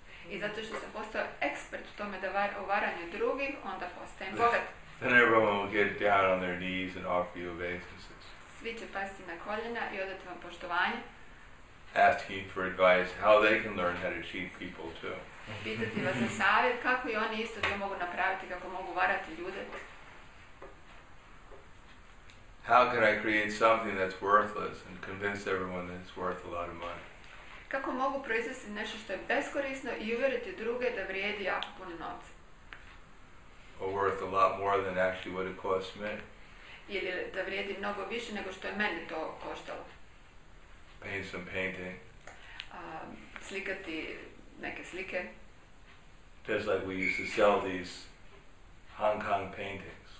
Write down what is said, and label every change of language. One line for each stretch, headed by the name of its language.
Croatian: I zato što sam postao ekspert u tome da u varanju drugih, onda postajem bogat.
English: Then everyone will get down on their knees and offer you obeisances.
Croatian: Svi će pasti na koljena i odati vam poštovanje.
English: Asking for advice how they can learn how to cheat people too.
Croatian: Pitati vas za savjet kako i oni isto to mogu napraviti, kako mogu varati ljude.
English: How can I create something that's worthless and convince everyone that it's worth a lot of money?
Croatian: Kako mogu proizvesti nešto što je beskorisno i uvjeriti druge da vrijedi jako puno novca?
English: Or worth a lot more than actually what it costs me.
Croatian: Ili da vrijedi mnogo više nego što je meni to koštalo.
English: Paint some painting.
Croatian: Slikati neke slike.
English: Just like we used to sell these Hong Kong paintings.